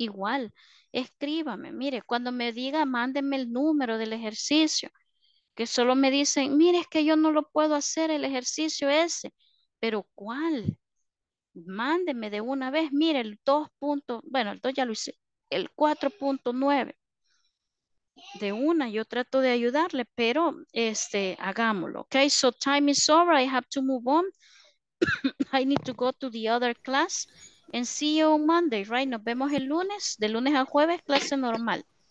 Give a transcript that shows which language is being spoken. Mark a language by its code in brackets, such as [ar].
[es] Igual, escríbame, mire, cuando me diga, mándenme el número del ejercicio, que solo me dicen, mire, es que yo no lo puedo hacer el ejercicio ese, pero ¿cuál? Mándenme de una vez, mire, el 2. Bueno, el 2 ya lo hice, el 4.9. De una, yo trato de ayudarle, pero hagámoslo. [en] Okay, so time is over. I have to move on. I need to go to the other class. And see you on Monday, right? [es] Nos vemos el lunes, de lunes a jueves, clase normal.